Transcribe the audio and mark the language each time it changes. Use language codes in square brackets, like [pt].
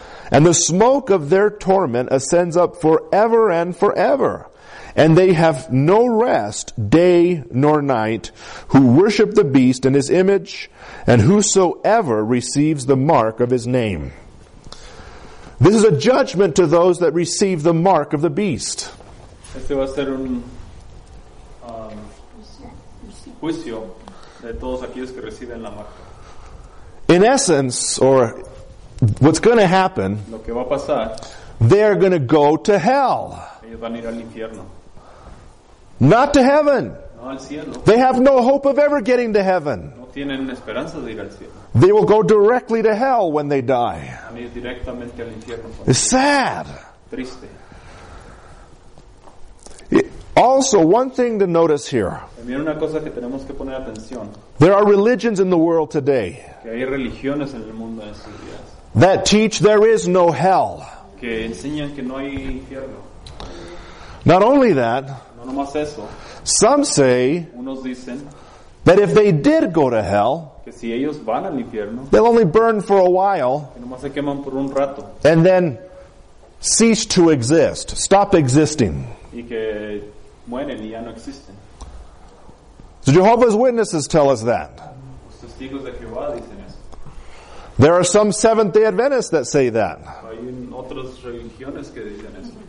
[en] And the smoke of their torment ascends up forever and forever. And they have no rest, day nor night, who worship the beast and his image, and whosoever receives the mark of his name." This is a judgment to those that receive the mark of the beast. [es] Este va a ser un juicio de todos aquellos que reciben la marca. [en] In essence, or what's going to happen, [es] lo que va a pasar, [en] they're going to go to hell. [es] Ellos van a ir al infierno. [en] Not to heaven. [es] No, al cielo. [en] They have no hope of ever getting to heaven. [es] No tienen esperanza de ir al cielo. [en] They will go directly to hell when they die. [es] Van a ir directamente al infierno. [en] It's sad. [es] Triste. [en] Also, one thing to notice here. [es] También una cosa que tenemos que poner atención. [en] There are religions in the world today [es] que hay religiones en el mundo en estos días [en] that teach there is no hell. [es] Que enseñan que no hay infierno. [en] Not only that, some say that if they did go to hell, [es] que si ellos van al infierno, [en] they'll only burn for a while [es] se queman por un rato, [en] and then cease to exist, stop existing. [es] Y que mueren y ya no existen. [en] The Jehovah's Witnesses tell us that. [es] Los testigos de Jehová dicen eso. [en] There are some Seventh-day Adventists that say that. [es] Hay otras religiones que dicen eso.